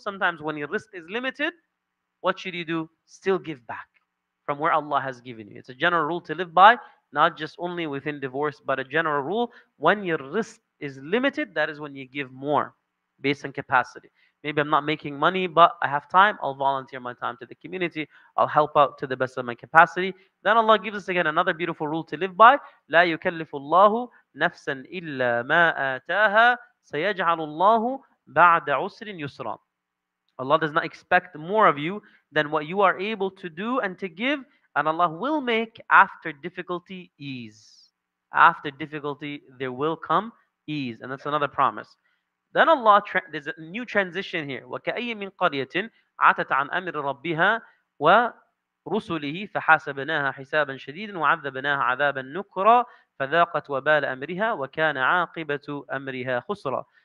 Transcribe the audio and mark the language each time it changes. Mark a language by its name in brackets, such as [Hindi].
[English] Sometimes when your risk is limited, what should you do? Still give back from where Allah has given you. It's a general rule to live by, not just only within divorce, but a general rule. When your risk is limited, that is when you give more based on capacity. Maybe I'm not making money, but I have time. I'll volunteer my time to the community. I'll help out to the best of my capacity. Then Allah gives us again another beautiful rule to live by. [Arabic] لا يكلف الله نفسا إلا ما آتاها سيجعل الله بعد عسر يسرا. [English] Allah does not expect more of you than what you are able to do and to give. And Allah will make after difficulty ease. After difficulty, there will come ease. And that's another promise. Then Allah, there's a new transition here. [Arabic] وَكَأَيِّ مِنْ قَرْيَةٍ عَتَتْ عَنْ أَمِرِ رَبِّهَا وَرُسُلِهِ فَحَاسَبْنَاهَا حِسَابًا شَدِيدًا وَعَذَّبْنَاهَا عَذَابًا نُكْرًا فَذَاقَتْ وَبَالَ أَمْرِهَا وَكَانَ عَاقِبَةُ أَمْرِهَا خُسْرًا.